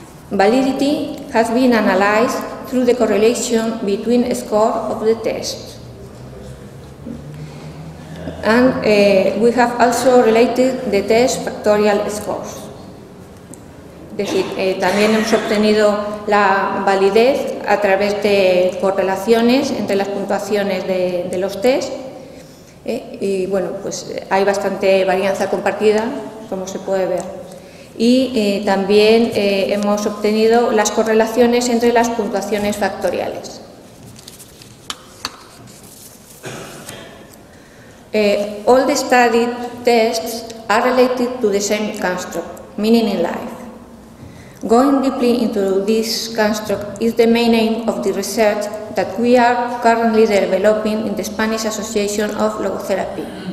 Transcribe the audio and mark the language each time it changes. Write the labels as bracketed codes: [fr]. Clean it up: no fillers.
[en] Validity has been analyzed through the correlation between score of the test. And we have also related the test factorial scores. [es] Es decir, también hemos obtenido la validez a través de correlaciones entre las puntuaciones de los test. Y bueno, pues hay bastante varianza compartida, como se puede ver. Y también hemos obtenido las correlaciones entre las puntuaciones factoriales. [en] All the studied tests are related to the same construct, meaning in life. Going deeply into this construct is the main aim of the research that we are currently developing in the Spanish Association of Logotherapy.